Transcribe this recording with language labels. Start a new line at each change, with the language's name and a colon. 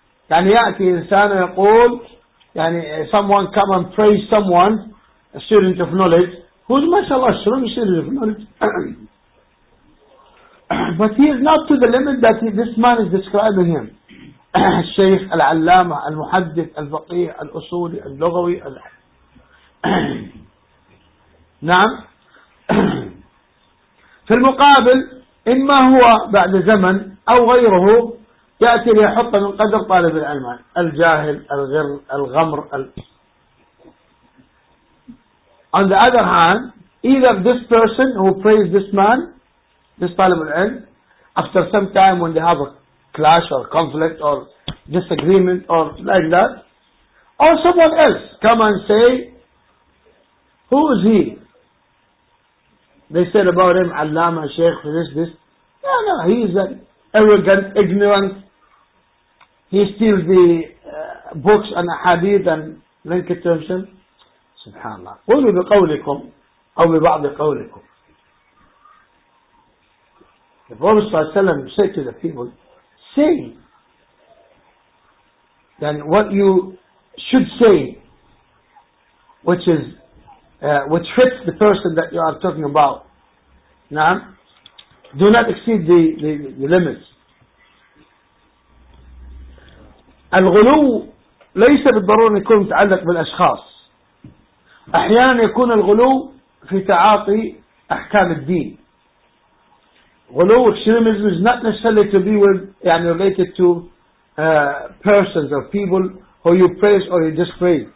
Arabic: يعني يأتي إنسان يقول يعني
English: someone come and praise someone, a student of knowledge, who's mashallah strong student of knowledge. But he is not to the limit that this man is describing him.
Arabic: الشيخ، العلامة، المحدث، الفقيه، الأصولي، اللغوي. نعم. في المقابل إما هو بعد زمن أو غيره يأتي ليحط من قدر طالب العلم الجاهل، الغر، الغمر.
English: On the other hand, either this person who praised this man, this طالب العلم, after some time when they have a clash or conflict or disagreement or like that, or someone else come and say, who is he? They said about him, Allama, Sheikh, this. No, no, he is an arrogant, ignorant. He steals the books and hadith and link it to himself. Subhanallah.
Arabic: قولوا بقولكم أو ببعض قولكم.
English: The Prophet Sallallahu Alaihi Wasallam said to the people, say then what you should say, which is which fits the person that you are talking about. Now, do not exceed the limits.
Arabic: الغلو ليس بالضرورة يكون متعلق بالأشخاص. أحيانا يكون الغلو في تعاطي أحكام الدين.
English: غلو extremism is not necessarily to be with, يعني related to persons or people who you praise or you dispraise.